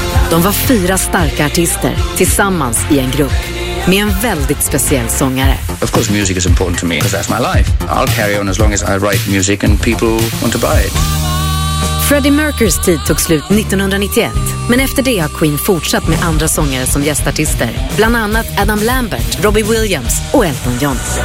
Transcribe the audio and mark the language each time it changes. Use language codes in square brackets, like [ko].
[sv] De var fyra starka artister tillsammans i en grupp med en väldigt speciell sångare. [en] Of course music is important to me because that's my life. I'll carry on as long as I write music and people want to buy it. [sv] Freddie Mercurys tid tog slut 1991, men efter det har Queen fortsatt med andra sångare som gästartister, bland annat Adam Lambert, Robbie Williams och Elton John.